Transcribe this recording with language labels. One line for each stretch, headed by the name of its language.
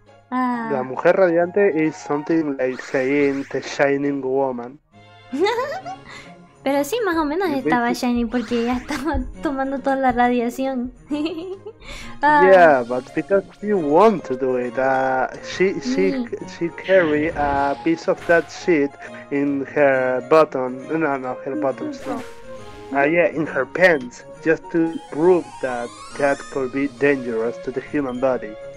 Spanish: La mujer radiante
English: is something like saying the shining woman.
Spanish: Pero sí, más o menos estaba shining porque ella estaba tomando toda la radiación.
English: Yeah, but because you want to do it, she carry a piece of that shit in her button. No, her buttons, no. In her pants, just to prove that that could be dangerous to the human body.